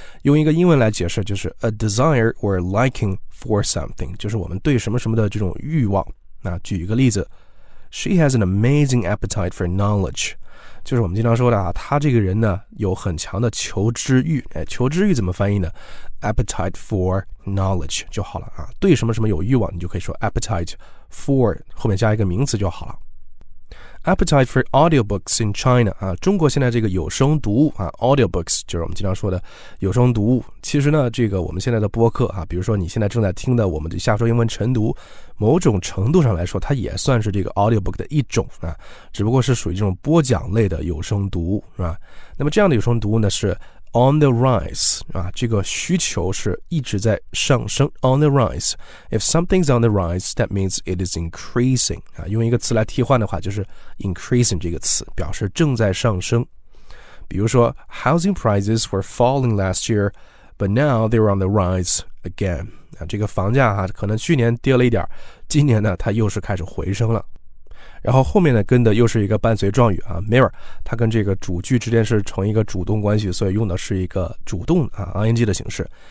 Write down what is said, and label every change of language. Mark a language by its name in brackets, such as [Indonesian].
[Chinese] 用一个英文来解释就是 [English] a desire or liking for something， [Chinese] 就是我们对什么什么的这种欲望。那举一个例子， [English] She has an amazing appetite for knowledge， [Chinese] 就是我们经常说的啊，他这个人呢有很强的求知欲。哎，求知欲怎么翻译呢？ [English] appetite for knowledge [Chinese] 就好了啊。对什么什么有欲望，你就可以说 appetite for 后面加一个名词就好了。 [English] appetite for audiobooks in China [Chinese] 啊，中国现在这个有声读物啊， audiobooks 就是我们经常说的有声读物。其实呢这个我们现在的播客啊，比如说你现在正在听的我们的下说英文晨读，某种程度上来说它也算是这个 audiobook 的一种啊，只不过是属于这种播讲类的有声读物，是吧？那么这样的有声读物呢是 [English] on the rise [Chinese] 啊，这个需求是一直在上升， on the rise。 [English] If something's on the rise that means it is increasing [Chinese] 啊，用一个词来替换的话就是 increasing， 这个词表示正在上升。比如说 [English] housing prices were falling last year but now they're on the rise again， [Chinese] 这个房价啊可能去年跌了一点，今年呢它又是开始回升了。然后后面呢跟的又是一个伴随状语啊， mirror， 它跟这个主句之间是成一个主动关系，所以用的是一个主动啊 ,ing 的形式。